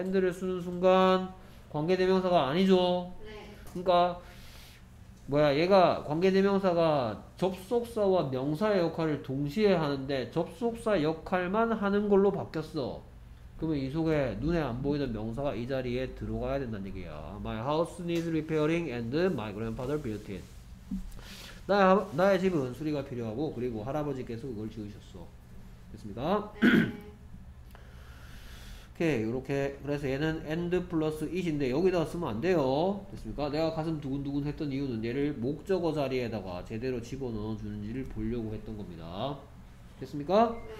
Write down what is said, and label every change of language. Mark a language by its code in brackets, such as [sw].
[ko] 엔드를 쓰는 순간 관계대명사가 아니죠. 네. 그러니까 뭐야 얘가 관계대명사가 접속사와 명사의 역할을 동시에 하는데 접속사 역할만 하는 걸로 바뀌었어. 그러면 이 속에 눈에 안 보이는 명사가 이 자리에 들어가야 된다는 얘기야. [en] My house needs repairing and my grandfather built it. [ko] 나의 집은 수리가 필요하고 그리고 할아버지께서 그걸 지으셨어. 됐습니까? 오케이 이렇게 그래서 얘는 and 플러스 it인데 여기다가 쓰면 안 돼요. 됐습니까? 내가 가슴 두근두근 했던 이유는 얘를 목적어 자리에다가 제대로 집어넣어 주는지를 보려고 했던 겁니다. 됐습니까?